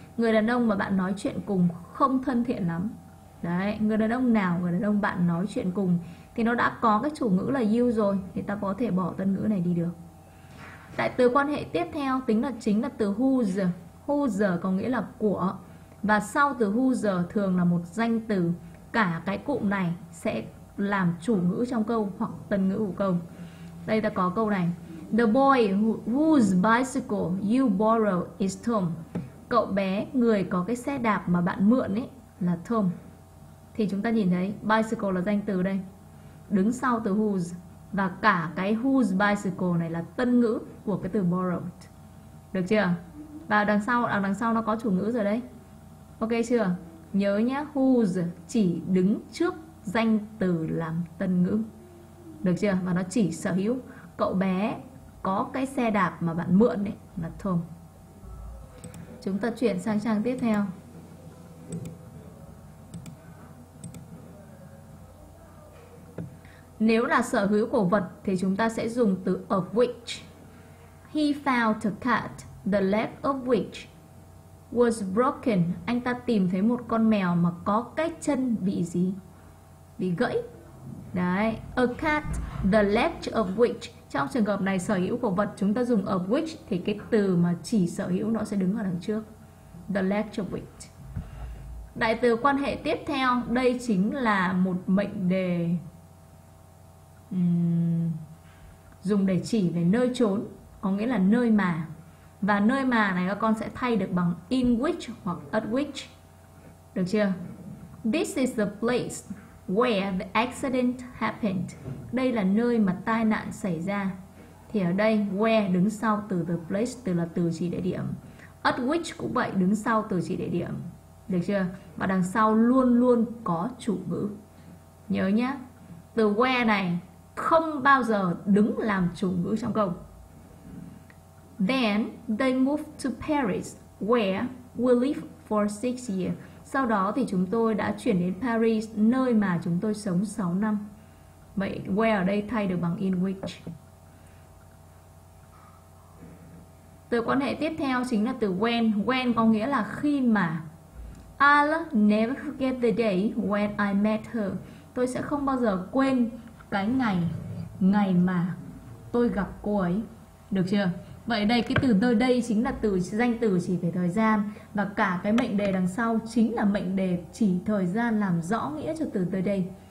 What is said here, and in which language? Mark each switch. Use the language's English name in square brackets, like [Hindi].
[Vietnamese] Người đàn ông mà bạn nói chuyện cùng không thân thiện lắm. Đấy, người đàn ông nào, người đàn ông bạn nói chuyện cùng thì nó đã có cái chủ ngữ là you rồi, thì ta có thể bỏ tân ngữ này đi được. Đại từ quan hệ tiếp theo tính là chính là từ whose. Whose có nghĩa là của. Và sau từ whose thường là một danh từ. Cả cái cụm này sẽ làm chủ ngữ trong câu hoặc tân ngữ của câu. Đây ta có câu này. [English] The boy whose bicycle you borrow is Tom. [Vietnamese] Cậu bé người có cái xe đạp mà bạn mượn ấy là Tom. Thì chúng ta nhìn thấy bicycle là danh từ đây. Đứng sau từ whose. Và cả cái [English] whose bicycle [Vietnamese] này là tân ngữ của cái từ borrowed. Được chưa? Và đằng sau nó có chủ ngữ rồi đấy. Ok chưa? Nhớ nhé, whose chỉ đứng trước danh từ làm tân ngữ. Được chưa? Và nó chỉ sở hữu cậu bé có cái xe đạp mà bạn mượn đấy là Tom. Chúng ta chuyển sang trang tiếp theo. Nếu là sở hữu của vật thì chúng ta sẽ dùng từ of which. [English] He found a cat, the leg of which was broken. [Vietnamese] Anh ta tìm thấy một con mèo mà có cái chân bị gì? Bị gãy. Đấy, [English] a cat, the leg of which. [Vietnamese] Trong trường hợp này sở hữu của vật chúng ta dùng of which thì cái từ mà chỉ sở hữu nó sẽ đứng ở đằng trước. [English] The leg of which. [Vietnamese] Đại từ quan hệ tiếp theo, đây chính là một mệnh đề dùng để chỉ về nơi chốn, có nghĩa là nơi mà. Và nơi mà này các con sẽ thay được bằng in which hoặc at which. Được chưa? [English] This is the place where the accident happened. [Vietnamese] Đây là nơi mà tai nạn xảy ra. Thì ở đây where đứng sau từ the place, từ là từ chỉ địa điểm. At which cũng vậy, đứng sau từ chỉ địa điểm. Được chưa? Và đằng sau luôn luôn có chủ ngữ. Nhớ nhé, từ where này không bao giờ đứng làm chủ ngữ trong câu. [English] Then they moved to Paris where we live for 6 years. [Vietnamese] Sau đó thì chúng tôi đã chuyển đến Paris, nơi mà chúng tôi sống 6 năm. Vậy where ở đây thay được bằng in which. Từ quan hệ tiếp theo chính là từ when. When có nghĩa là khi mà. [English] I'll never forget the day when I met her. [Vietnamese] Tôi sẽ không bao giờ quên cái ngày mà tôi gặp cô ấy. Được chưa? Vậy đây cái từ nơi đây chính là từ danh từ chỉ về thời gian. Và cả cái mệnh đề đằng sau chính là mệnh đề chỉ thời gian, làm rõ nghĩa cho từ nơi đây.